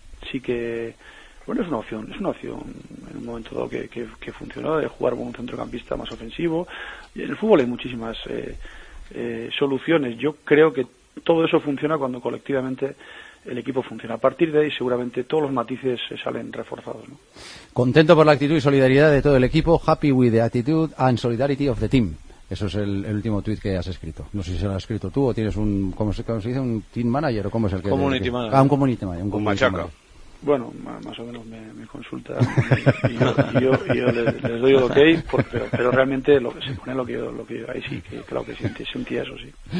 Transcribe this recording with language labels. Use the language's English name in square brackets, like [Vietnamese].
[Spanish] sí que bueno, es una opción en un momento dado que funcionó, de jugar con un centrocampista más ofensivo. Y en el fútbol hay muchísimas soluciones. Yo creo que todo eso funciona cuando colectivamente el equipo funciona. A partir de ahí, seguramente todos los matices salen reforzados, ¿no? Contento por la actitud y solidaridad de todo el equipo. [English] Happy with the attitude and solidarity of the team. [Spanish] Eso es el último tuit que has escrito. No sé si se lo has escrito tú o tienes un, ¿cómo se dice? ¿Un team manager o cómo es el que? Community manager. Un community manager. Un machaca. Bueno, más o menos me consulta y yo les doy el ok, pero realmente se pone lo que yo, ahí sí, que claro que sentía eso, sí.